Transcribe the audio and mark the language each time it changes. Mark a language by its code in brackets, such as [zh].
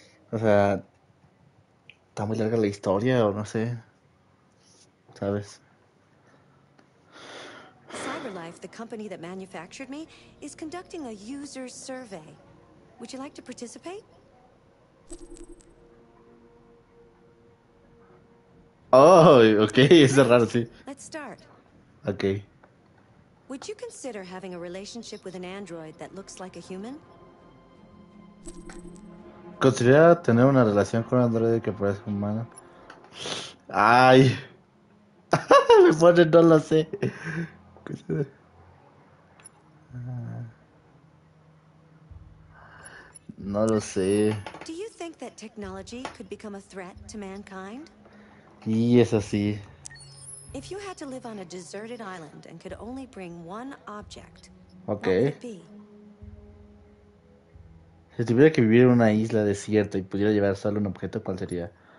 [es] O sea, está muy larga la historia o no sé. ¿Sabes? [en] CyberLife, the company that manufactured me, is conducting a user survey. Would you like to participate? [es] Oh, okay, es raro, sí. [en] Let's start. Okay. Would you consider having a relationship with an android that looks like a human? [es] ¿Consideraría tener una relación con un androide que parezca humano? ¡Ay! Me pone, no lo sé. No lo sé. [en] ¿Do you think that technology could become a threat to mankind? [es] Y eso sí. [en] If you had to live on a deserted island and could only bring one object, okay. [es] Si tuviera que vivir en una isla desierta y pudiera llevar solo un objeto, ¿cuál sería?